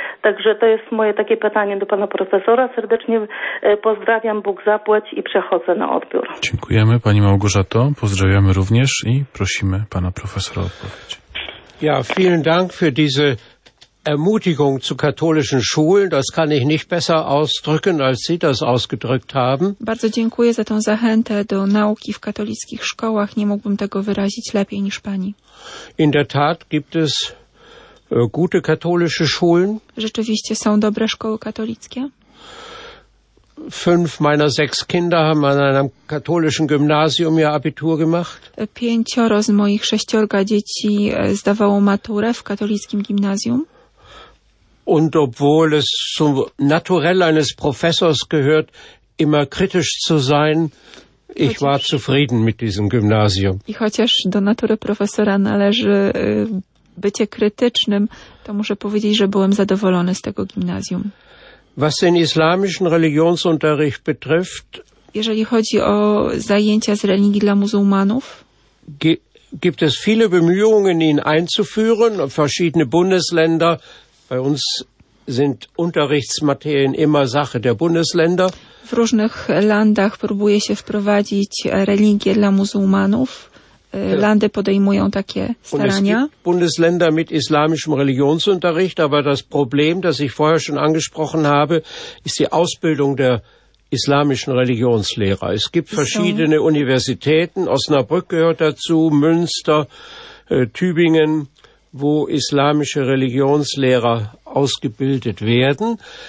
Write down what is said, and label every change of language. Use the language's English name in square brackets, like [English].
[Polish] Także to jest moje takie pytanie do pana profesora. Serdecznie pozdrawiam, Bóg zapłać i przechodzę na odbiór. Dziękujemy pani Małgorzato, pozdrawiamy również i prosimy pana profesora o odpowiedź. [German] Ja, vielen Dank für diese Ermutigung zu katholischen Schulen. Das kann ich nicht besser ausdrücken, als Sie das ausgedrückt haben. [Polish] Bardzo dziękuję za tą zachętę do nauki w katolickich szkołach. Nie mógłbym tego wyrazić lepiej niż pani. [German] In der Tat gibt es gute katholische Schulen. [Polish] Rzeczywiście są dobre szkoły katolickie. [German] 5 meiner 6 Kinder haben an einem katholischen Gymnasium ihr Abitur gemacht. [Polish] 5 z moich 6 dzieci zdawało maturę w katolickim gimnazjum. [German] Und obwohl es zum Naturell eines Professors gehört, immer kritisch zu sein, ich war zufrieden mit diesem Gymnasium. [Polish] I chociaż do natury profesora należy bycie krytycznym, to muszę powiedzieć, że byłem zadowolony z tego gimnazjum. [German] Was den islamischen Religionsunterricht betrifft, [Polish] jeżeli chodzi o zajęcia z religii dla muzułmanów, [German] gibt es viele Bemühungen, ihn einzuführen. Verschiedene Bundesländer, bei uns sind Unterrichtsmaterien immer Sache der Bundesländer. [Polish] W różnych landach próbuje się wprowadzić religię dla muzułmanów. Lande podejmują takie starania. [German] Bundesländer mit islamischem Religionsunterricht, aber das Problem, das ich vorher schon angesprochen habe, ist die Ausbildung der islamischen Religionslehrer. Es gibt verschiedene Universitäten, Osnabrück gehört dazu, Münster, Tübingen, wo islamische Religionslehrer ausgebildet werden.